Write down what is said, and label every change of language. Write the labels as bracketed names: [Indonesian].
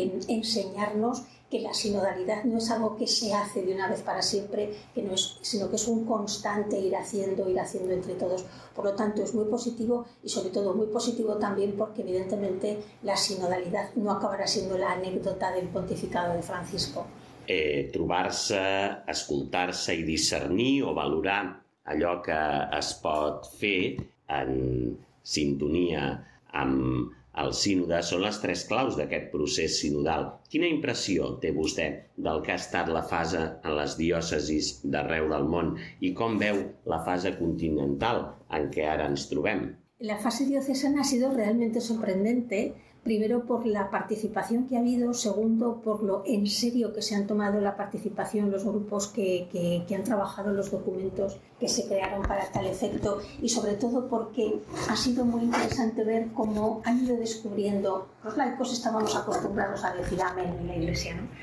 [Spanish] enseñarnos que la sinodalidad no es algo que se hace de una vez para siempre, sino que es un constante ir haciendo entre todos. Por lo tanto, es muy positivo y sobre todo muy positivo también porque evidentemente la sinodalidad no acabará siendo la anécdota del pontificado de Francisco. [Catalan] Trobar-se, escoltar-se i discernir o valorar allò que es pot fer en sintonia amb el sínode són les tres claus d'aquest procés sinodal. Quina impressió té vostè del que ha estat la fase en les diòcesis d'arreu del món i com veu la fase continental en què ara ens trobem? [Spanish] La fase diocesana ha sido realmente sorprendente. Primero por la participación que ha habido, segundo por lo en serio que se han tomado la participación los grupos que han trabajado los documentos que se crearon para tal efecto y sobre todo porque ha sido muy interesante ver cómo han ido descubriendo, los laicos estábamos acostumbrados a decir amén en la Iglesia, ¿no?